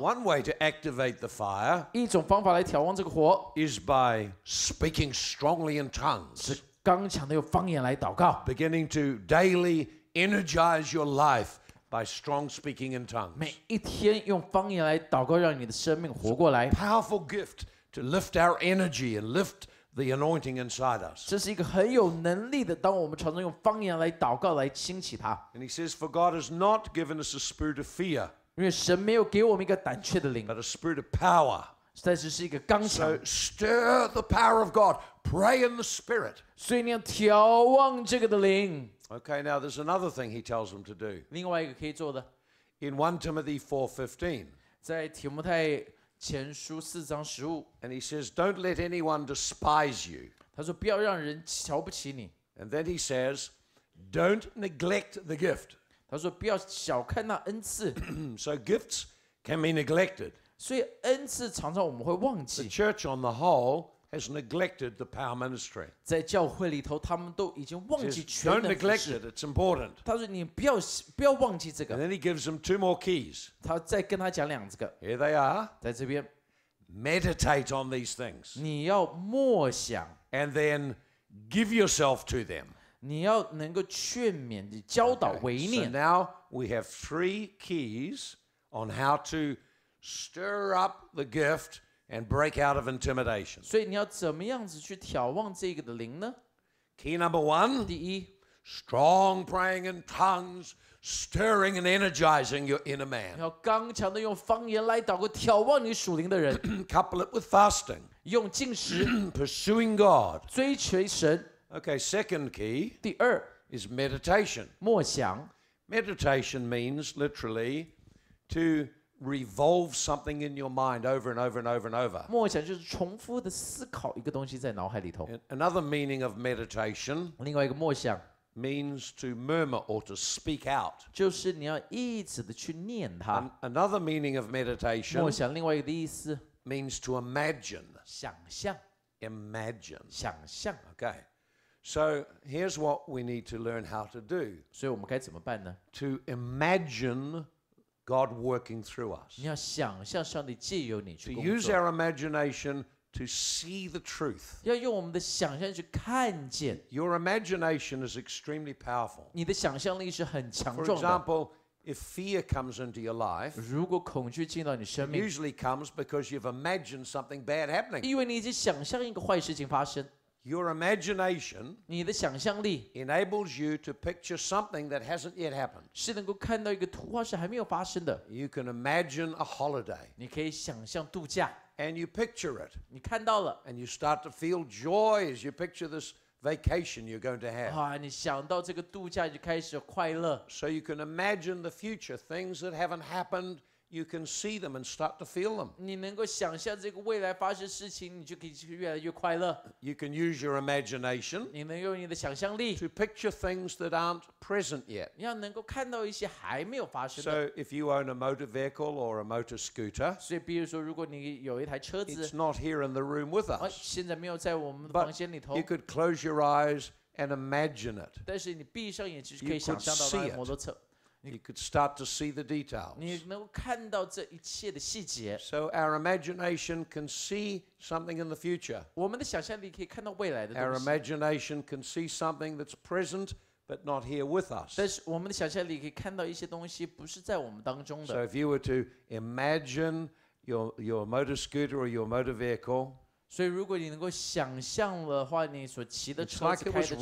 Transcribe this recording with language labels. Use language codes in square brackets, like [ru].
[en] One way to activate the fire. [zh] 一种方法来挑旺这个火。 [en] Is by speaking strongly in tongues. [zh] 是刚强的用方言来祷告。 [en] Beginning to daily energize your life by strong speaking in tongues. [zh] 每一天用方言来祷告，让你的生命活过来。 [en] Powerful gift to lift our energy and lift. The anointing inside us. [zh] 这是一个很有能力的。当我们常常用方言来祷告，来兴起它。 [en] And he says, "For God has not given us a spirit of fear." [zh] 因为神没有给我们一个胆怯的灵。 [en] But a spirit of power. [zh] 但是是一个刚强。 [en] So stir the power of God. Pray in the spirit. [zh] 所以你要挑旺这个的灵。 [en] Okay, now there's another thing he tells them to do. [zh] 另外一个可以做的。 [en] In 1 Timothy 4:15. [zh] 在提摩太。前书四章十五 [en] and he says, "Don't let anyone despise you." [zh] 他说不要让人瞧不起你 [en] and then he says, "Don't neglect the gift." [zh] 他说不要小看那恩赐 [en] so gifts can be neglected. [zh] 所以恩赐常常我们会忘记 [en] the church on the whole has neglected the power ministry. [zh] 在教会里头，他们都已经忘记全能。 [en] Don't neglect it; it's important. [zh] 他说你不要忘记这个。 [en] And then he gives them two more keys. [zh] 他再跟他讲两个。 [en] Here they are. [zh] 在这边。 [en] Meditate on these things. [zh] 你要默想。 [en] And then give yourself to them. [zh] 你要能够劝勉、教导、为念。 [en] So now we have three keys on how to stir up the gift. And break out of intimidation. [zh] 所以你要怎么样子去挑旺这个的灵呢 [en] ？Key number one. [zh] 第一 [en] ，strong praying in tongues, stirring and energizing your inner man. [zh] 要刚强的用方言来祷告，挑旺你属灵的人。 [en] Couple it with fasting. [zh] 用禁食。 [en] Pursuing God. [zh] 追求神。 [en] Okay, second key. [zh] 第二 [en] is meditation. [zh] 默想. [en] Meditation means literally to revolve something in your mind over and over and over and over. [zh] 默想就是重复的思考一个东西在脑海里头. [en] Another meaning of meditation. [zh] 另外一个默想. [en] Means to murmur or to speak out. [zh] 就是你要一直的去念它. [en] Another meaning of meditation. [zh] 默想另外一个的意思. [en] Means to imagine. [zh] 想象. [en] Imagine. [zh] 想象. [en] Okay. So here's what we need to learn how to do. [zh] 所以我们该怎么办呢? [en] To imagine God working through us. [zh] 你要想象上帝借由你去工作。 [en] To use our imagination to see the truth. [zh] 要用我们的想象去看见。 [en] Your imagination is extremely powerful. [zh] 你的想象力是很强壮的。 [en] For example, if fear comes into your life, [zh] 如果恐惧进到你生命, [en] it usually comes because you've imagined something bad happening. [zh] 因为你已经想象一个坏事情发生。 [en] Your imagination [zh] 你的想象力 [en] enables you to picture something that hasn't yet happened. [zh] 是能够看到一个图画是还没有发生的。 [en] You can imagine a holiday. [zh] 你可以想象度假。 [en] And you picture it. [zh] 你看到了。 [en] And you start to feel joy as you picture this vacation you're going to have. [zh] 你想到这个度假就开始快乐。 [en] So you can imagine the future, things that haven't happened. You can see them and start to feel them. [zh] 你能够想象这个未来发生事情，你就可以越来越快乐。 [en] You can use your imagination. [zh] 你能用你的想象力。 [en] To picture things that aren't present yet. [zh] 你要能够看到一些还没有发生的。 [en] So if you own a motor vehicle or a motor scooter. [zh] 所以比如说，如果你有一台车子。 [en] It's not here in the room with us. [zh] 现在没有在我们房间里头。 [en] But you could close your eyes and imagine it. [zh] 但是你闭上眼睛就可以想象到那台摩托车。 [en] You could see it. You could start to see the details. [zh] 你能够看到这一切的细节。 [en] So our imagination can see something in the future. [zh] 我们的想象力可以看到未来的东西。 [en] Our imagination can see something that's present but not here with us. [zh] 但是我们的想象力可以看到一些东西不是在我们当中的。 [en] So if you were to imagine your motor scooter or your motor vehicle, [zh] 所以如果你能够想象的话，你所骑的车子、开的车子,